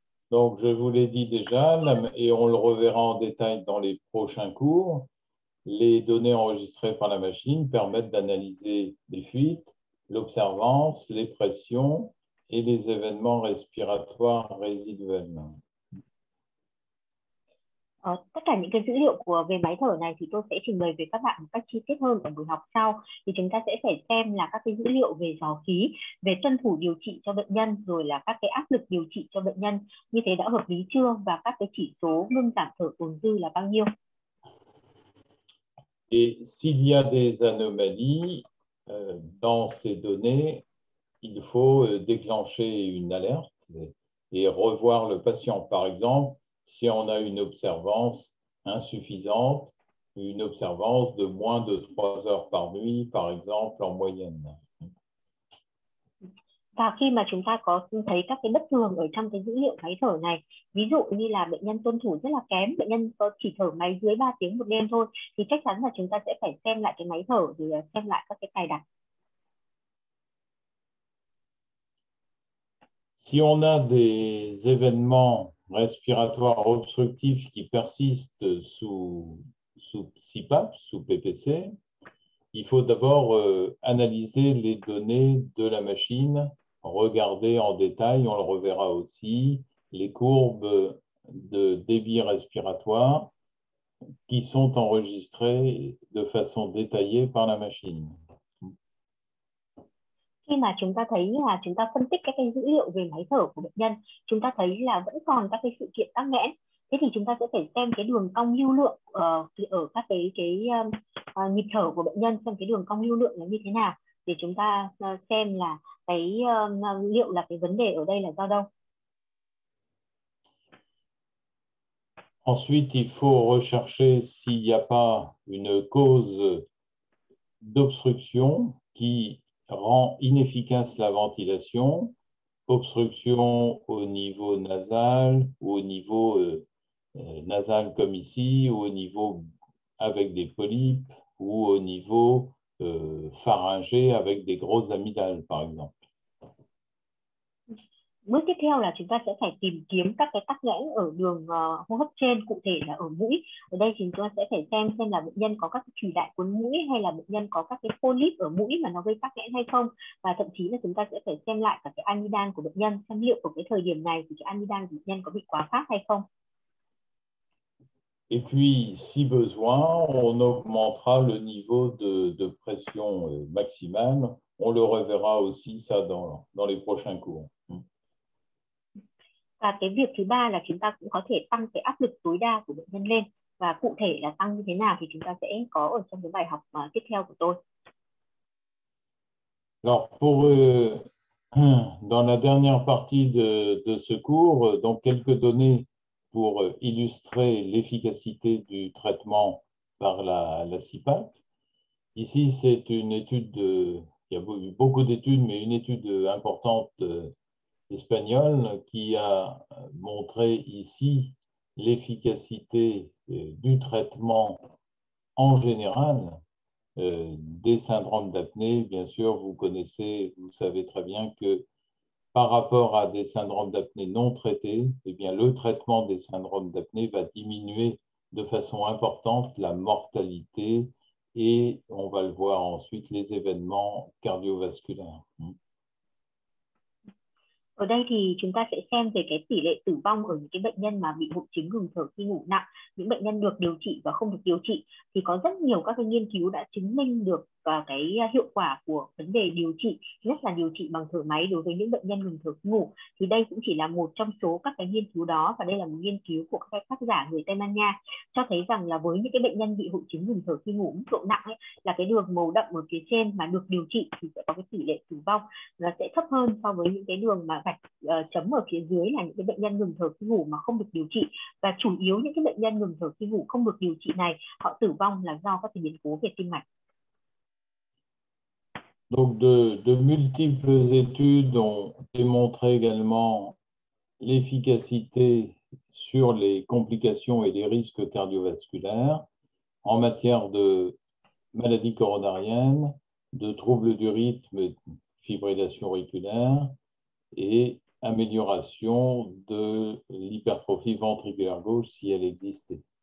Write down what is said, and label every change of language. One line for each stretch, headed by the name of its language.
French: Donc je vous l'ai dit déjà et on le reverra en détail dans les prochains cours. Les données enregistrées par la machine permettent d'analyser les fuites, l'observance, les pressions et les événements respiratoires résiduels.
Vietnamese: Tất cả những cái dữ liệu của về máy thở này thì tôi sẽ trình bày với các bạn một cách chi tiết hơn ở buổi học sau. Thì chúng ta sẽ phải xem là các cái dữ liệu về dò khí, về tuân thủ điều trị cho bệnh nhân, rồi là các cái áp lực điều trị cho bệnh nhân như thế đã hợp lý chưa, và các cái chỉ số ngưng giảm thở tồn dư là bao nhiêu.
French: Et s'il y a des anomalies dans ces données, il faut déclencher une alerte et revoir le patient. Par exemple, si on a une observance insuffisante, une observance de moins de 3 heures par nuit, par exemple, en moyenne.
Vietnamese: Và khi mà chúng ta có thấy các cái bất thường ở trong cái dữ liệu máy thở này, ví dụ như là bệnh nhân tuân thủ rất là kém, bệnh nhân có chỉ thở máy dưới 3 tiếng một đêm thôi, thì chắc chắn là chúng ta sẽ phải xem lại cái máy thở, rồi xem lại các cái cài đặt.
French: Si on a des événements respiratoires obstructifs qui persistent sous CPAP, sous PPC, il faut d'abord analyser les données de la machine, regarder en détail, on le reverra aussi, les courbes de débit respiratoire qui sont enregistrées de façon détaillée par la machine.
Vietnamese: Khi mà chúng ta thấy là chúng ta phân tích các cái dữ liệu về máy thở của bệnh nhân, chúng ta thấy là vẫn còn các cái sự kiện tắc nghẽn, thế thì chúng ta sẽ phải xem cái đường cong lưu lượng ở các cái nhịp thở của bệnh nhân, xem cái đường cong lưu lượng là như thế nào để chúng ta xem là cái liệu là cái vấn đề ở đây là do đâu.
French: Ensuite, il faut rechercher s'il n'y a pas une cause d'obstruction qui rend inefficace la ventilation, obstruction au niveau nasal ou au niveau nasal comme ici, ou au niveau avec des polypes, ou au niveau pharyngé avec des grosses amygdales, par exemple.
Vietnamese: Bước tiếp theo là chúng ta sẽ phải tìm kiếm các cái tắc nghẽn ở đường hô hấp trên, cụ thể là ở mũi. Ở đây chúng ta sẽ phải xem là bệnh nhân có các cái thủy đại cuốn mũi hay là bệnh nhân có các cái polyp ở mũi mà nó gây tắc nghẽn hay không. Và thậm chí là chúng ta sẽ phải xem lại cả cái amidan của bệnh nhân, xem liệu ở cái thời điểm này thì cái amidan của bệnh nhân có bị quá phát hay không.
French: Et puis, si besoin, on augmentera le niveau de pression maximale. On le reverra aussi ça dans les prochains cours.
Vietnamese: Và cái việc thứ ba là chúng ta cũng có thể tăng cái áp lực tối đa của bệnh nhân lên. Và cụ thể là tăng như thế nào thì chúng ta sẽ có ở trong cái bài học tiếp theo của tôi.
French: Alors, dans la dernière partie de ce cours, donc quelques données pour illustrer l'efficacité du traitement par la CPAP. Ici, c'est une étude, il y a eu beaucoup d'études, mais une étude importante espagnol qui a montré ici l'efficacité du traitement en général des syndromes d'apnée. Bien sûr, vous connaissez, vous savez très bien que par rapport à des syndromes d'apnée non traités, eh bien, le traitement des syndromes d'apnée va diminuer de façon importante la mortalité et on va le voir ensuite les événements cardiovasculaires.
Vietnamese: Ở đây thì chúng ta sẽ xem về cái tỷ lệ tử vong ở những cái bệnh nhân mà bị hội chứng ngừng thở khi ngủ nặng, những bệnh nhân được điều trị và không được điều trị, thì có rất nhiều các cái nghiên cứu đã chứng minh được cái hiệu quả của vấn đề điều trị, nhất là điều trị bằng thở máy đối với những bệnh nhân ngừng thở khi ngủ. Thì đây cũng chỉ là một trong số các cái nghiên cứu đó, và đây là một nghiên cứu của các tác giả người Tây Ban Nha cho thấy rằng là với những cái bệnh nhân bị hội chứng ngừng thở khi ngủ mức độ nặng ấy, là cái đường màu đậm ở phía trên mà được điều trị thì sẽ có cái tỷ lệ tử vong là sẽ thấp hơn so với những cái đường mà gạch chấm ở phía dưới là những cái bệnh nhân ngừng thở khi ngủ mà không được điều trị. Và chủ yếu những cái bệnh nhân ngừng thở khi ngủ không được điều trị này, họ tử vong là do các biến cố về tim mạch.
French: Donc, de multiples études ont démontré également l'efficacité sur les complications et les risques cardiovasculaires en matière de maladies coronariennes, de troubles du rythme, fibrillation auriculaire et amélioration de l'hypertrophie ventriculaire gauche si elle existait.